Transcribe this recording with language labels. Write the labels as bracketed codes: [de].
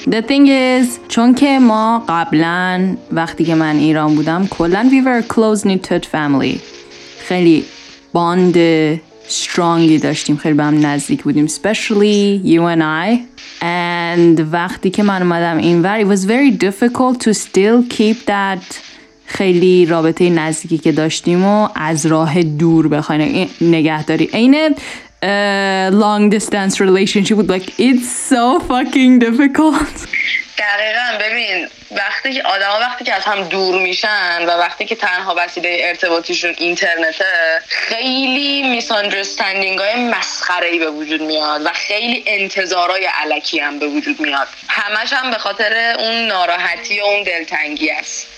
[en] The thing is [fa] چون که ما قبلن وقتی که من ایران بودم کلن [en] we were a close-knit family، [fa] خیلی باند strongی داشتیم، خیلی به هم نزدیک بودیم، [en] especially you and I. [fa] And وقتی که من اومدم اینور [en] it was very difficult to still keep [fa] that خیلی رابطه نزدیکی که داشتیم و از راه دور بخوای نگهداری. اینه long distance relationship بود، [en] like it's so fucking difficult. [fa] دقیقا ببین وقتی که آدم ها وقتی که از هم دور میشن و وقتی که تنها وسیله ارتباطیشون اینترنته، خیلی میساندرستندینگ های مسخره ای به وجود میاد و خیلی انتظارای علکی هم به وجود میاد، همش هم به خاطر اون ناراحتی و اون دلتنگی است.